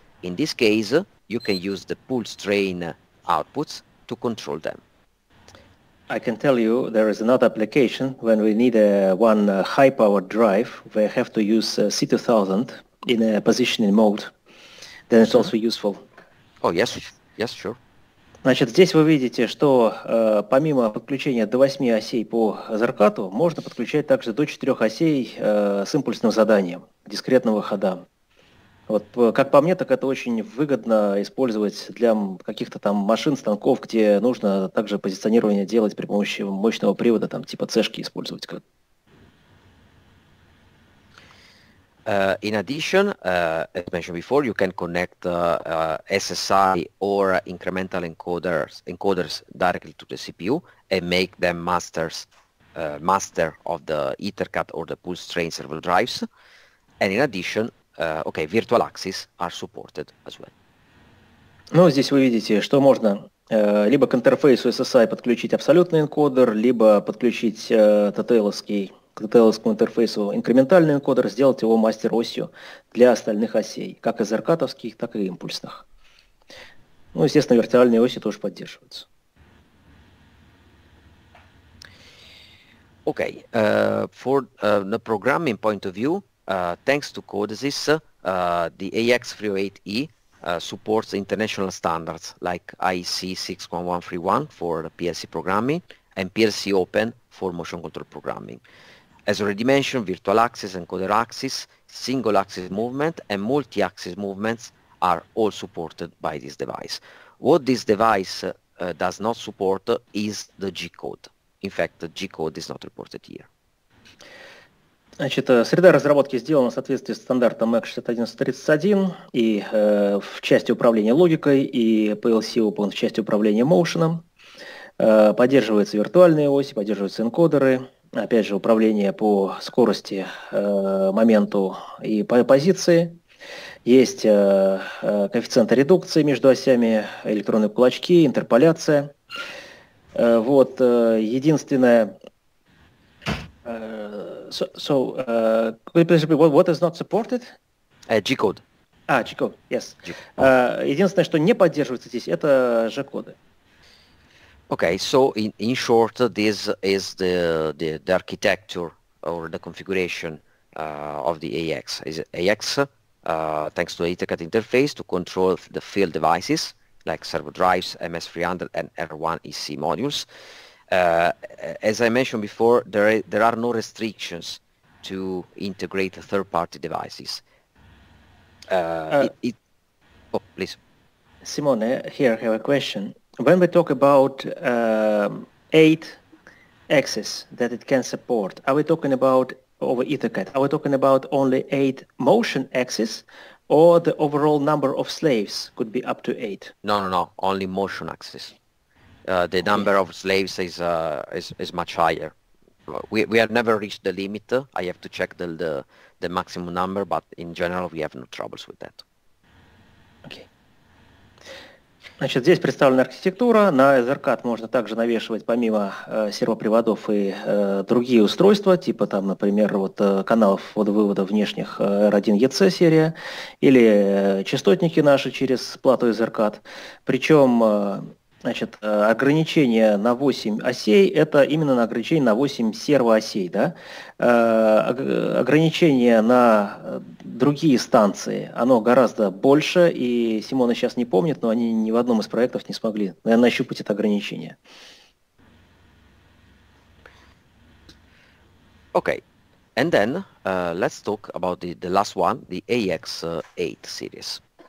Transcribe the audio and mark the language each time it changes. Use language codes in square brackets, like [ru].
[en] In this case, you can use the pulse train outputs to control them. I can tell you there is another application when we need one high power drive, we have to use C2000 in a positioning mode. Then it's also useful. Oh, yes, yes, sure. [ru] Значит, здесь вы видите, что помимо подключения до 8 осей по EtherCAT-у, можно подключать также до 4 осей с импульсным заданием, дискретного хода. Вот, как по мне, так это очень выгодно использовать для каких-то там машин, станков, где нужно также позиционирование делать при помощи мощного привода, там типа C-шки использовать. [en] In addition, as mentioned before, you can connect SSI or incremental encoders directly to the CPU and make them master of the EtherCAT or the pulse train servo drives. And in addition, virtual axes are supported as well. [ru] Ну, здесь вы видите, что можно либо к интерфейсу SSI подключить абсолютный энкодер, либо подключить к TTL-овскому интерфейсу инкрементальный энкодер, сделать его мастер-осью для остальных осей, как из EtherCAT-овских, так и импульсных. Ну, естественно, виртуальные оси тоже поддерживаются. [en] Okay, for the programming point of view, thanks to CODESYS, the AX308E supports international standards like IEC 61131 for PLC programming and PLC Open for motion control programming. As already mentioned, virtual axis, encoder axis, single axis movement, and multi-axis movements are all supported by this device. What this device does not support is the G-code. In fact, the G-code is not reported here. [ru] Значит, среда разработки сделана в соответствии с стандартом EC6131 и в части управления логикой, и PLC Open в части управления моушеном. Поддерживаются виртуальные оси, поддерживаются энкодеры. Опять же, управление по скорости, моменту и по позиции. Есть коэффициенты редукции между осями, электронные кулачки, интерполяция. Вот единственное... [en] what is not supported? G-code. G-code, yes. G-code. [ru] Единственное, что не поддерживается здесь, это G-коды. [en] Okay, so in short, this is the architecture or the configuration of the AX. Is AX, thanks to the EtherCAT interface, to control the field devices like servo drives, MS300, and R1EC modules. As I mentioned before, there are no restrictions to integrate third-party devices. Please. Simone, here I have a question. When we talk about 8 axes that it can support, are we talking about over EtherCAT? Are we talking about only 8 motion axes, or the overall number of slaves could be up to 8? No, only motion axes. The number of slaves is much higher. We have never reached the limit. I have to check the maximum number, but in general we have no troubles with that. Okay. [ru] Значит, здесь представлена архитектура. На EtherCAT можно также навешивать помимо сервоприводов и другие устройства, типа там, например, вот каналов ввода-вывода внешних R1EC серия или частотники наши через плату EtherCAT. Причем значит, ограничение на 8 осей – это именно на ограничение на 8 сервоосей, да? Ограничение на другие станции, оно гораздо больше, и Симона сейчас не помнит, но они ни в одном из проектов не смогли нащупать это ограничение. [en] Okay, and then let's talk about the last one, the AX8 series.